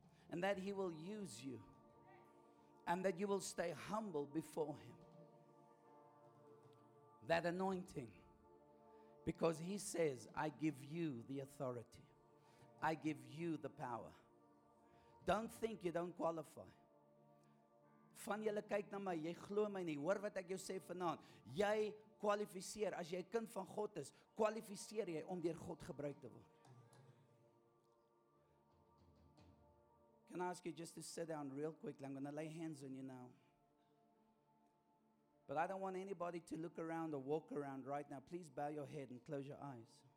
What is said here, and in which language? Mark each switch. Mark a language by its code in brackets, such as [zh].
[en] And that He will use you. And that you will stay humble before Him. That anointing. Because He says, I give you the authority. I give you the power. Don't think you don't qualify. [af] Van julle kyk na my, jy glo my nie. Hoor wat ek jou sê vanaand. Jy kwalifiseer. As jy kind van God is, kwalifiseer jy om deur God gebruik te word. [en] Can I ask you just to sit down real quick? I'm going to lay hands on you now. But I don't want anybody to look around or walk around right now. Please bow your head and close your eyes.